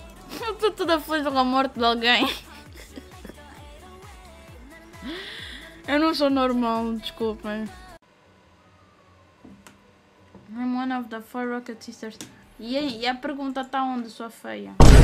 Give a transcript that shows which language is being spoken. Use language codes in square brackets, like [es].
[pt] Estou toda feliz com a morte de alguém. Eu não sou normal, desculpem. [en] I'm one of the four Rocket Sisters. [pt] E a pergunta está onde, sua feia?